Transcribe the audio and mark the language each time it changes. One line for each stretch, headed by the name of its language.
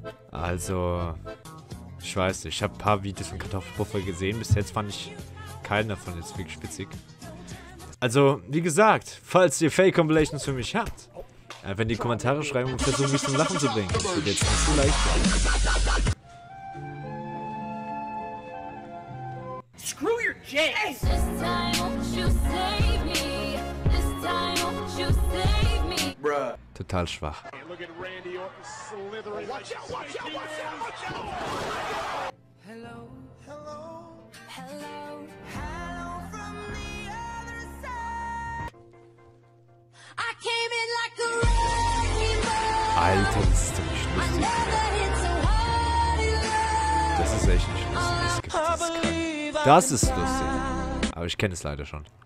German: Also, ich weiß nicht, ich habe ein paar Videos von Kartoffelpuffer gesehen, bis jetzt fand ich keinen davon jetzt wirklich spitzig. Also, wie gesagt, falls ihr Fake-Compilations für mich habt, einfach in die Kommentare schreiben und versuchen, mich zum Lachen zu bringen. Das wird jetzt nicht so leicht sein.
English: Screw your jets! This time won't you save me? This time won't you save me? Bruh.
German: Total schwach.
English: Look at Randy Orton slithering. Watch out, watch out, watch out, watch out! Hello. Hello. Hello. Hello from the other side. I came in like a wrecking ball.
German: Alter, das ist doch nicht lustig. Das ist echt nicht lustig. Das gibt es kein. Das ist lustig. Aber ich kenne es leider schon.